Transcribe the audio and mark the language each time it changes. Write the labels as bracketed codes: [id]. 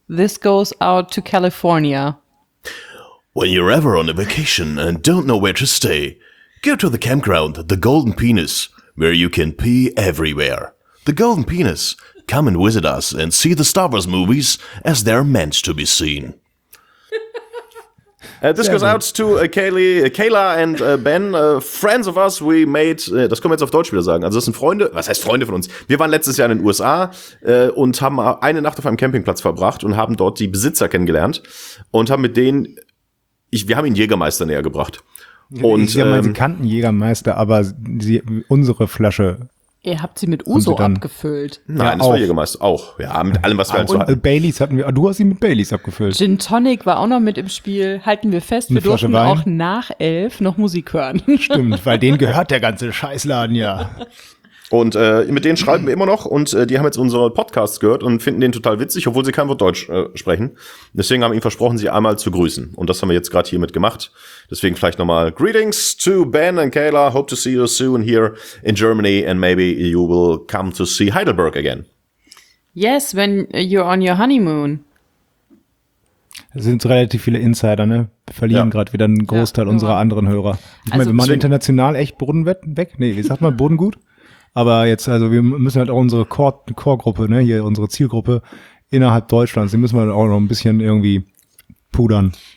[en] This goes out to California. When you're ever on a vacation and don't know where to stay, go to the campground, the Golden Penis, where you can pee everywhere. The Golden Penis. Come and visit us and see the Star Wars movies as they're meant to be seen. This goes out to Kayla and Ben, friends of us, we made, [de] das können wir jetzt auf Deutsch wieder sagen, also das sind Freunde, was heißt Freunde von uns? Wir waren letztes Jahr in den USA und haben eine Nacht auf einem Campingplatz verbracht und haben dort die Besitzer kennengelernt und haben mit denen, wir haben ihnen Jägermeister näher gebracht. Und, ich meine, sie kannten Jägermeister, aber unsere Flasche. Ihr habt sie mit Uso dann, abgefüllt. Nein, ja, das war Jägermeister. Auch. Ja, mit allem, was wir halt so hatten. Baileys hatten wir. Du hast sie mit Baileys abgefüllt. Gin Tonic war auch noch mit im Spiel. Halten wir fest, eine wir Flasche durften Wein. Auch nach 11 noch Musik hören. Stimmt, weil denen gehört der ganze Scheißladen ja. Und mit denen schreiben wir immer noch. Und die haben jetzt unsere Podcasts gehört und finden den total witzig, obwohl sie kein Wort Deutsch sprechen. Deswegen haben wir ihnen versprochen, sie einmal zu grüßen. Und das haben wir jetzt gerade hiermit gemacht. Deswegen vielleicht nochmal [en] Greetings to Ben and Kayla. Hope to see you soon here in Germany. And maybe you will come to see Heidelberg again. Yes, when you're on your honeymoon. [de] Es sind relativ viele Insider, ne? Wir verlieren gerade wieder einen Großteil unserer anderen Hörer. Ich meine, wir machen international echt Boden weg. Nee, wie sagt man, Boden gut? Aber jetzt, also wir müssen halt auch unsere Core-Gruppe, ne, hier unsere Zielgruppe innerhalb Deutschlands, die müssen wir auch noch ein bisschen irgendwie pudern.